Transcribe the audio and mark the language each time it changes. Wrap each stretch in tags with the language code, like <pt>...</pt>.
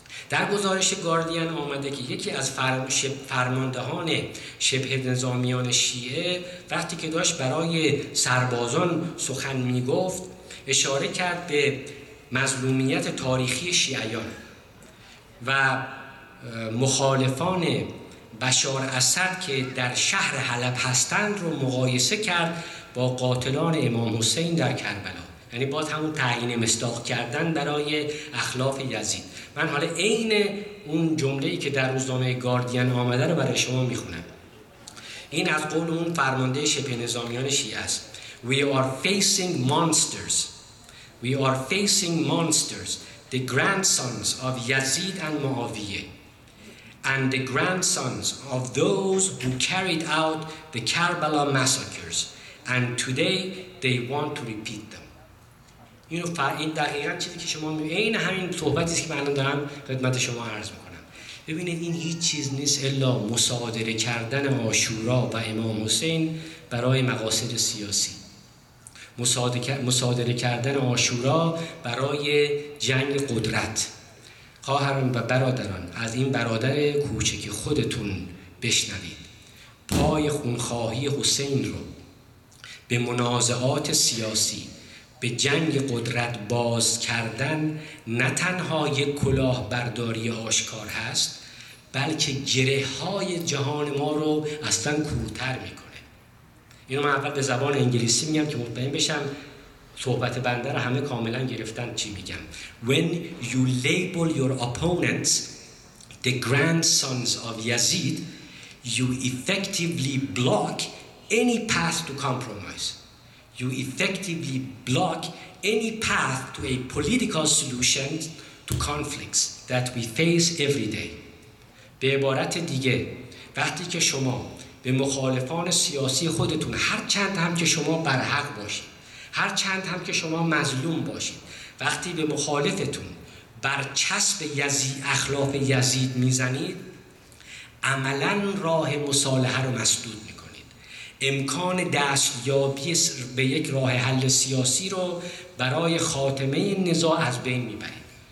<fa>در گزارش گاردین آمده که یکی از فرماندهان شبه نظامیان شیعه وقتی که داشت برای سربازان سخن می گفت، اشاره کرد به مظلومیت تاریخی شیعیان و مخالفان بشار اسد که در شهر حلب هستند رو مقایسه کرد با قاتلان امام حسین در کربلا. یعنی باز همون تعیین مصداق کردن برای اخلاق یزید. من حالا این اون جمله‌ای که در روزنامه گاردین آمده رو برای شما میخونم. این از قول اون فرمانده شبه نظامیان شیعه است:</fa> <en>We are facing monsters. We are facing monsters, the grandsons of Yazid and Muawiyah, and the grandsons of those who carried out the Karbala massacres, and today they want to repeat them.</en> <fa>اینو این دقیقاً چیزی که شما می عین همین صحبتی است که من الان دارم خدمت شما عرض میکنم. ببینید این هیچ چیز نیست الا مصادره کردن عاشورا و امام حسین برای مقاصد سیاسی. مصادره کردن عاشورا برای جنگ قدرت. خواهران و برادران، از این برادر کوچک خودتون بشنوید. پای خونخواهی حسین رو به منازعات سیاسی، به جنگ قدرت باز کردن نه تنها یک کلاهبرداری آشکار هست، بلکه گره‌های جهان ما رو اصلا کورتر میکنه. اینو من اول به زبان انگلیسی میگم که مطمئن بشم صحبت بنده رو همه کاملا گرفتن چی میگم.</fa> <en>When you label your opponents the grandsons of Yazid, you effectively block any path to compromise. You effectively block any path to a political solution to conflicts that we face every day.</en> <fa>به عبارت دیگه، وقتی که شما به مخالفان سیاسی خودتون، هر چند هم که شما برحق باشید، هر چند هم که شما مظلوم باشید، وقتی به مخالفتون برچسب یزید، اخلاق یزید میزنید، عملا راه مصالحه رو مسدود میکنید، امکان دستیابی به یک راه حل سیاسی رو برای خاتمه نزاع از بین میبرید.</fa>